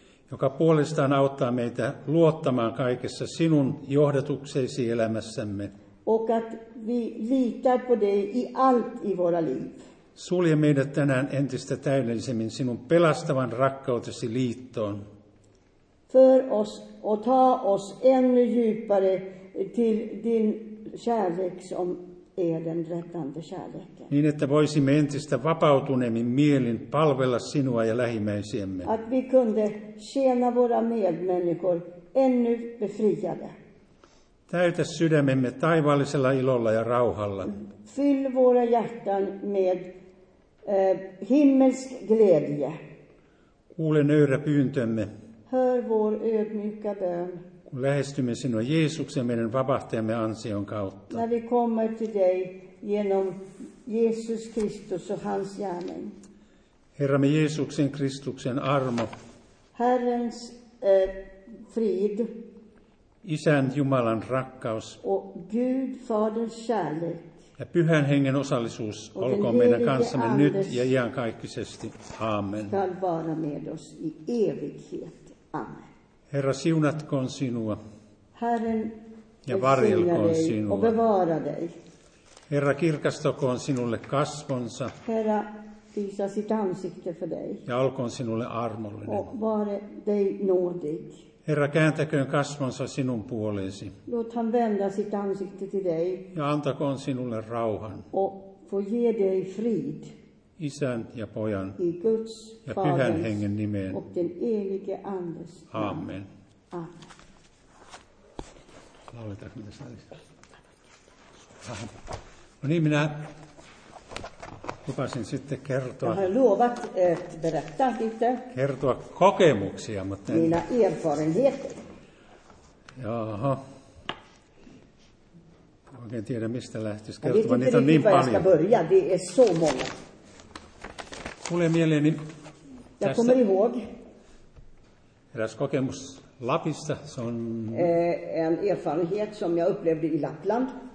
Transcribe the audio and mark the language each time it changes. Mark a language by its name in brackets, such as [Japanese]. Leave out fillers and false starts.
[Finnish] Joka puolestaan auttaa meitä luottamaan kaikessa sinun johdatukseesi elämässämme. [Swedish] Och att vi litar på dig i allt i våra liv. [Finnish] Sulje meidät tänään entistä täydellisemmin sinun pelastavan rakkautesi liittoon. [Swedish] För oss och ta oss ännu djupare till din kärlek som är den rättande kärleken. [Finnish] Niin että voisimme entistä vapautuneemmin mielin palvella sinua ja lähimmäisiämme. [Swedish] Att vi kunde tjäna våra medmänniskor ännu befriade. [Finnish] Täytä sydämemme taivaallisella ilolla ja rauhalla. [Swedish] Fyll våra hjärtan med himmelsk glädje. [Finnish] Kuule nöyrä pyyntömme. [Swedish] Hör vår ödmjuka bön. [Finnish] Kun lähestymme sinua Jeesuksen meidän vapahtajamme ansion kautta. [Swedish] När vi kommer till dig genom Jesus Kristus och hans gärning. [Finnish] Herramme Jeesuksen Kristuksen armo. [Swedish] Herrens frid. [Finnish] Isän Jumalan rakkaus. [Swedish] Och Gud Faderns kärlek. [Finnish] Ja Pyhän Hengen osallisuus olkoon meidän kanssamme nyt ja iankaikkisesti. Amen. [Swedish] Skall vara med oss i evighet. Amen. [Finnish] Herra, siunatkoon sinua. [Swedish] Herren, [Finnish] ja varjelkoon sinua. [Swedish] Och bevara dig. [Finnish] Herra, kirkastakoon sinulle kasvonsa. [Swedish] Herra, visa sitt ansikte för dig. [Finnish] Ja olkoon sinulle armollinen. [Swedish] Och vare dig nådig. [Finnish] Herra, kääntäköön kasvonsa sinun puoleesi. [Swedish] Låt han vända sitt ansikte till dig. [Finnish] Ja antakoon sinulle rauhan. [Swedish] Och få ge dig frid. [Finnish] Isän ja pojan [Swedish] i Guds, [Finnish] ja Pyhän Hengen nimeen. [Swedish] Och den evige andes. [Finnish] Amen. [Swedish] Amen. [Finnish] Lauletaanko tässä? No niin, minä lupasin sitten kertoa. [Swedish] Jag lovat att berätta lite. [Finnish] Kertoa kokemuksia, mutta [Swedish] mina erfarenheter. Jaha. [Finnish] Oikein tiedä, mistä lähtisi kertoa. Niitä on niin paljon. [Swedish] Jag vet inte hur jag ska börja. Det är så många. [Finnish] Tulee mieleeni tästä. [Swedish] Jag kommer ihåg. [Finnish] Eräs kokemus Lapissa. Se on [Swedish] en erfarenhet som jag upplevde i Lappland.